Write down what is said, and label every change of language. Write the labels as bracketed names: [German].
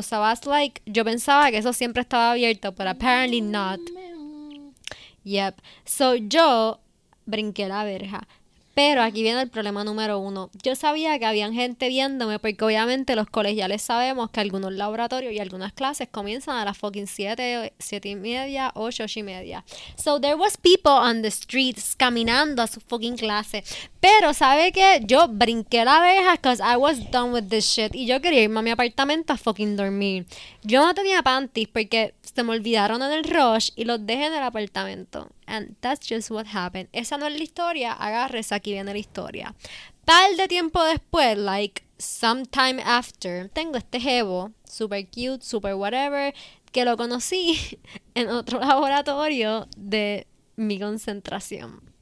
[English] So I was like, [Spanish] yo pensaba que eso siempre estaba abierto, [English] but apparently not. Yep. [Spanish] So yo brinqué la verja. Pero aquí viene el problema número uno. Yo sabía que habían gente viéndome, porque obviamente los colegiales sabemos que algunos laboratorios y algunas clases comienzan a las fucking 7:30, 8:30. [English] So there was people on the streets [Spanish] caminando a su fucking clase. Pero ¿sabe qué? Yo brinqué la abeja [English] because I was done with this shit. [Spanish] Y yo quería irme a mi apartamento a fucking dormir. Yo no tenía panties porque se me olvidaron en el rush y los dejé en el apartamento. [English] And that's just what happened. [Spanish] Esa no es la historia. Agárrese, aquí viene la historia. Tal de tiempo después, [English] like sometime after, [Spanish] tengo este jevo, [English] super cute, super whatever, [Spanish] que lo conocí en otro laboratorio de mi concentración.